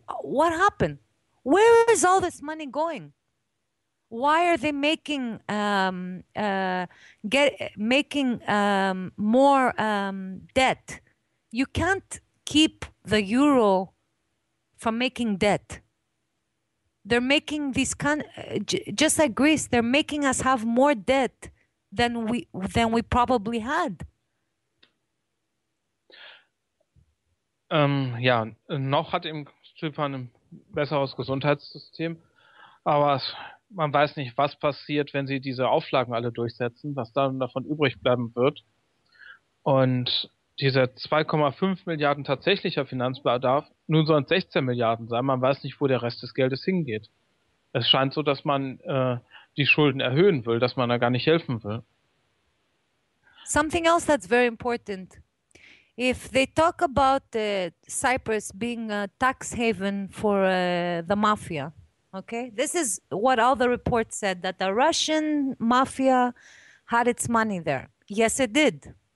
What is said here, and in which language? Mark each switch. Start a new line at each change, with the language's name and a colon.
English: What happened? Where is all this money going? Why are they making more debt? You can't keep the euro from making debt. They're making these kind, just like Greece, they're making us have more debt than we probably had.
German: Ja, noch hat im Zypern ein besseres Gesundheitssystem, aber man weiß nicht, was passiert, wenn sie diese Auflagen alle durchsetzen, was dann davon übrig bleiben wird. Und dieser 2,5 Milliarden tatsächlicher Finanzbedarf, nun sollen es 16 Milliarden sein, man weiß nicht, wo der Rest des Geldes hingeht. Es scheint so, dass man die Schulden erhöhen will, dass man da gar nicht helfen will.
English: Something else that's very important. If they talk about Cyprus being a tax haven for the mafia, okay, this is what all the reports said, that the Russian mafia had its money there. Yes, it did.